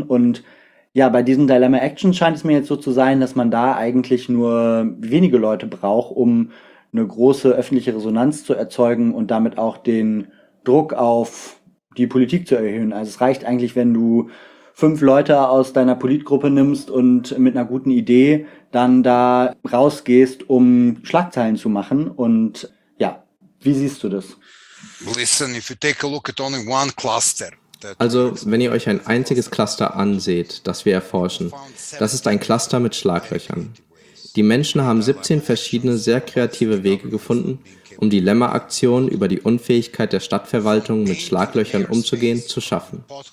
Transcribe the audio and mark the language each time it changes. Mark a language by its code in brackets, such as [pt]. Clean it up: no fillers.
[de] Und ja, bei diesen Dilemma Actions scheint es mir jetzt so zu sein, dass man da eigentlich nur wenige Leute braucht, um eine große öffentliche Resonanz zu erzeugen und damit auch den Druck auf die Politik zu erhöhen. Also es reicht eigentlich, wenn du 5 Leute aus deiner Politgruppe nimmst und mit einer guten Idee dann da rausgehst, um Schlagzeilen zu machen. Und ja, wie siehst du das? [en] Listen, if you take a look at only one cluster. [de] Also, wenn ihr euch ein einziges Cluster anseht, das wir erforschen, das ist ein Cluster mit Schlaglöchern. Die Menschen haben 17 verschiedene, sehr kreative Wege gefunden, um die Lemma-Aktion über die Unfähigkeit der Stadtverwaltung mit Schlaglöchern umzugehen zu schaffen.